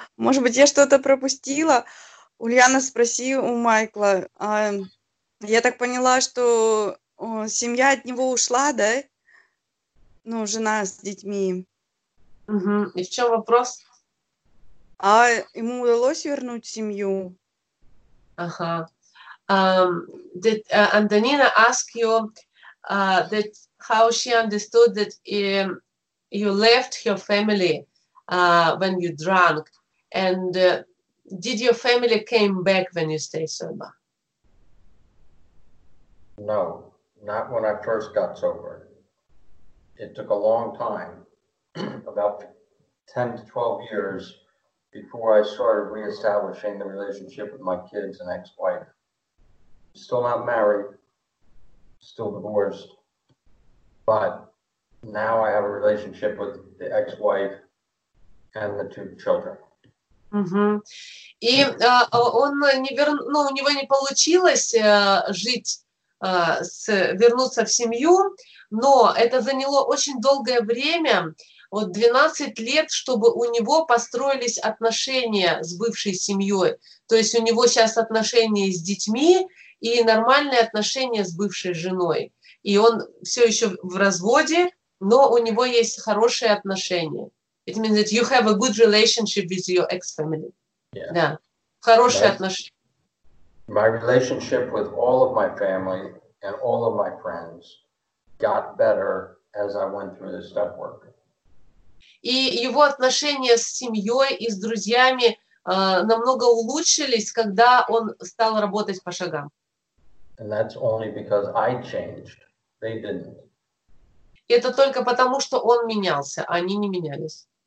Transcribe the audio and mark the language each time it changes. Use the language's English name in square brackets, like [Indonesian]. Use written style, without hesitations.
[Russian] Может быть, я что-то пропустила? Ульяна, спроси у Майкла. Я так поняла, что семья от него ушла, да? Ну, жена с детьми. Угу. И в чем вопрос? А ему удалось вернуть семью? Ага. [English] And Danina asked you that how she understood that you left her family when you drank, and did your family came back when you stayed sober? No, not when I first got sober. It took a long time, about 10 to 12 years, before I started reestablishing the relationship with my kids and ex-wife. Still not married, still divorced, but now I have a relationship with the ex-wife and the two children. Угу. [Russian] И он не вернул, ну, у него не получилось жить, вернуться в семью, но это заняло очень долгое время, вот 12 лет, чтобы у него построились отношения с бывшей семьей. То есть у него сейчас отношения с детьми и нормальные отношения с бывшей женой. И он все еще в разводе, но у него есть хорошие отношения. [English] It means that you have a good relationship with your ex-family. Yeah. [Russian] Да. Хорошие отношения. [English] My relationship with all of my family and all of my friends got better as I went through this step work. [Russian] И его отношения с семьей и с друзьями намного улучшились, когда он стал работать по шагам. [English] And that's only because I changed. They didn't. [Russian] Это только потому, что он менялся, а они не менялись.